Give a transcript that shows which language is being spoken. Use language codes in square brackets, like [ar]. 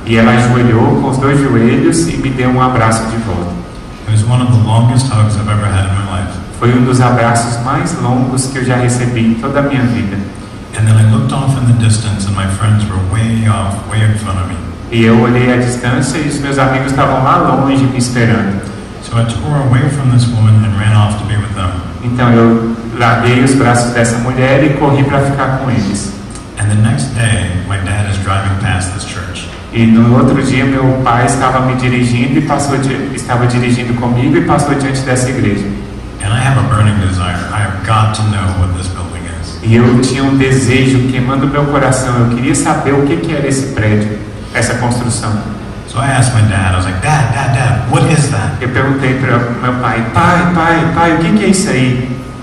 [pt] E ela ajoelhou com os dois joelhos e me deu um abraço de volta. [en] It was one of the longest hugs I've ever had in my life. [pt] Foi um dos abraços mais longos que eu já recebi em toda a minha vida. [en] And then I looked off in the distance and my friends were way off, way in front of me. [pt] E eu olhei à distância e os meus amigos estavam lá longe me esperando. [en] So I tore away from this woman and ran off to be with them. [pt] Então eu larguei os braços dessa mulher e corri para ficar com eles. [en] And the next day, my dad is driving past this church. [pt] E no outro dia meu pai estava me dirigindo e estava dirigindo comigo e passou diante dessa igreja. [en] And I have a burning desire. I have got to know what this building is. [pt] E eu tinha um desejo queimando meu coração. Eu queria saber o que que era esse prédio, essa construção. [en] So I asked my dad. I was like, Dad, what is that? [pt] Eu perguntei para meu pai, pai, o que que é isso aí?